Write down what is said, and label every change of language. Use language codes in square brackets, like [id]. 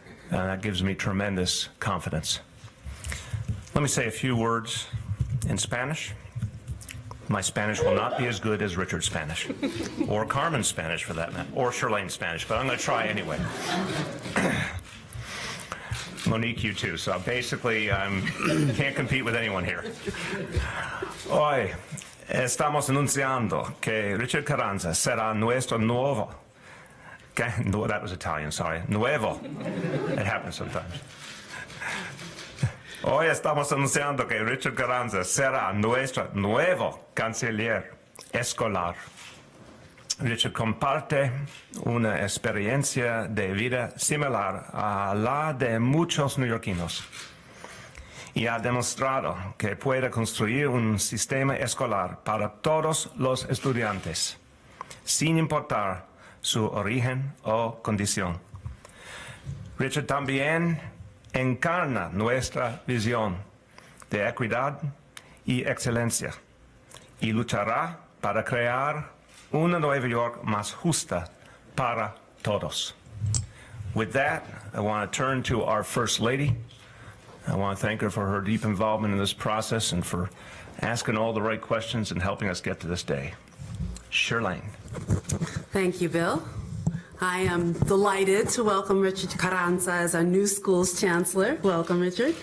[en] And that gives me tremendous confidence. Let me say a few words in Spanish. My Spanish will not be as good as Richard's Spanish, or Carmen's Spanish for that matter, or Shirlane's Spanish, but I'm gonna try anyway. Monique, you too, so basically I'm can't compete with anyone here. [es] Hoy estamos anunciando que Richard Carranza será nuestro nuevo [en] That was Italian, sorry. Nuevo. It happens sometimes. [es] Hoy estamos anunciando que Richard Carranza será nuestro nuevo canciller escolar. Richard comparte una experiencia de vida similar a la de muchos neoyorquinos y ha demostrado que puede construir un sistema escolar para todos los estudiantes, sin importar su origen o condición. Richard también encarna nuestra visión de equidad y excelencia y luchará para crear una Nueva York más justa para todos. [en] With that, I want to turn to our First Lady. I want to thank her for her deep involvement in this process and for asking all the right questions and helping us get to this day. Shirlane. Thank you, Bill. I am delighted to welcome Richard Carranza as our new school's chancellor. Welcome, Richard.